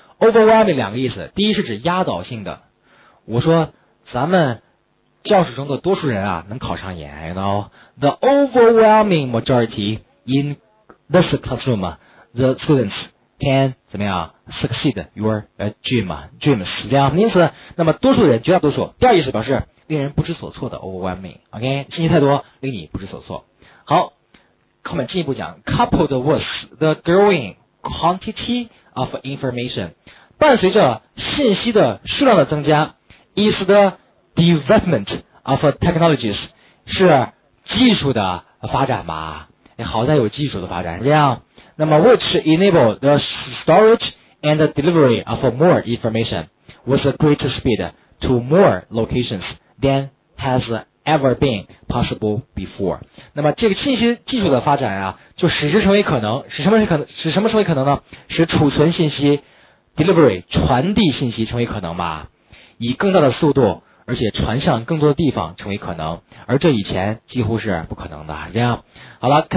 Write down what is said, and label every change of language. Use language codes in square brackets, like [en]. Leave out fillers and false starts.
[zh] overwhelming 两个意思，第一是指压倒性的，我说咱们教室中的多数人啊能考上研 [en] you know the overwhelming majority in this classroom the students can [zh] 怎么样 [en] succeed your dreams [zh] 这样，因此那么多数人绝大多数，第二意思表示令人不知所措的 overwhelming OK 信息太多令你不知所措。 [en] 好，后面进一步讲 coupled with the growing quantity of information [zh] 伴随着信息的数量的增加 [en] is theDevelopment of technologies [zh] 是技术的发展吧、哎、好在有技术的发展，这样那么 [en] which enable the storage and the delivery of more information with a greater speed to more locations than has ever been possible before。 [zh] 那么这个信息技术的发展啊，就使之成为可能，使什么成为可能呢？使储存信息 delivery 传递信息成为可能吧，以更大的速度而且传向更多的地方成为可能，而这以前几乎是不可能的，这样好了。